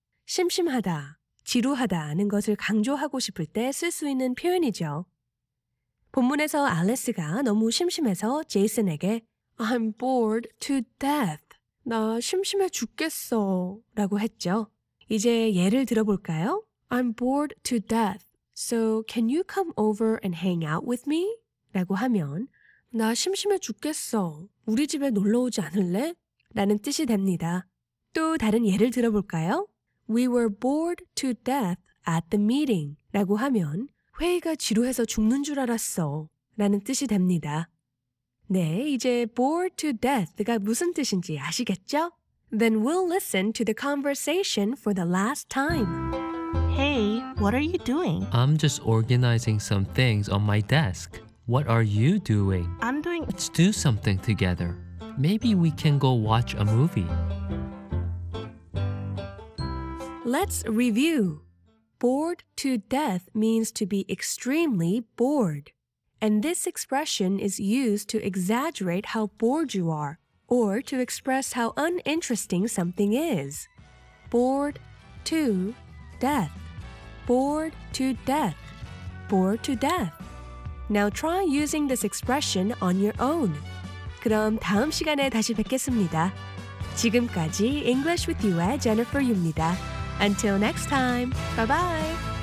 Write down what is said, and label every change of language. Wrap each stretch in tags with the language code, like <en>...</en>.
<ko>심심하다, 지루하다 하는 것을 강조하고 싶을 때 쓸 수 있는 표현이죠. 본문에서 알리스가 너무 심심해서 제이슨에게</ko> <en>I'm bored to death.</en> <ko>나 심심해 죽겠어 라고 했죠. 이제 예를 들어볼까요?</ko> <en>I'm bored to death. So can you come over and hang out with me?</en> <ko>라고 하면 나 심심해 죽겠어. 우리 집에 놀러 오지 않을래? 라는 뜻이 됩니다. 또 다른 예를 들어볼까요?</ko> <en>We were bored to death at the meeting.</en> <ko>라고 하면 회의가 지루해서 죽는 줄 알았어. 라는 뜻이 됩니다. 네, 이제 bored to death가 무슨 뜻인지 아시겠죠?</ko> <en>Then we'll listen to the conversation for the last time. Hey, what are you doing? I'm just organizing some things on my desk. What are you doing? I'm doing... Let's do something together. Maybe we can go watch a movie. Let's review. Bored to death means to be extremely bored. And this expression is used to exaggerate how bored you are or to express how uninteresting something is. Bored to death. Bored to death. Bored to death. Now try using this expression on your own.</en> <ko>그럼 다음 시간에 다시 뵙겠습니다. 지금까지 English with You의 Jennifer Yu입니다.</ko> <en>Until next time, bye-bye!</en>